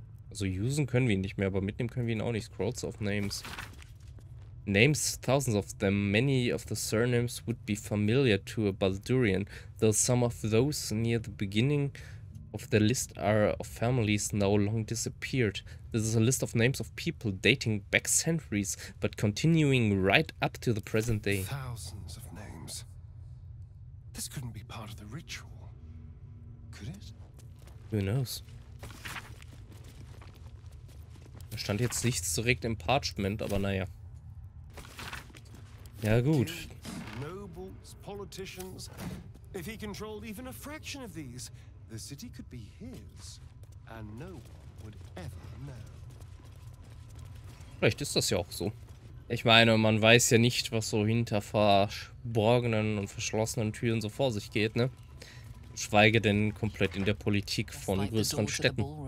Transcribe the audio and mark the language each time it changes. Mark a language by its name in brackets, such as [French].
[German] Also usen können wir ihn nicht mehr, aber mitnehmen können wir ihn auch nicht. [English] Scrolls of Names. Names, thousands of them. Many of the surnames would be familiar to a Baldurian, though some of those near the beginning of the list are of families now long disappeared. This is a list of names of people dating back centuries, but continuing right up to the present day. Thousands of names. This couldn't be part of the ritual, could it? Who knows? [German] Da stand jetzt nichts direkt im Parchment, aber naja. Ja gut. [English] Nobles, politicians. If he controlled even a fraction of these, the city could be his, and no one would ever know. [German] Vielleicht ist das ja auch so. Ich meine, man weiß ja nicht, was so hinter verborgenen und verschlossenen Türen so vor sich geht, ne? Schweige denn komplett in der Politik von größeren Städten.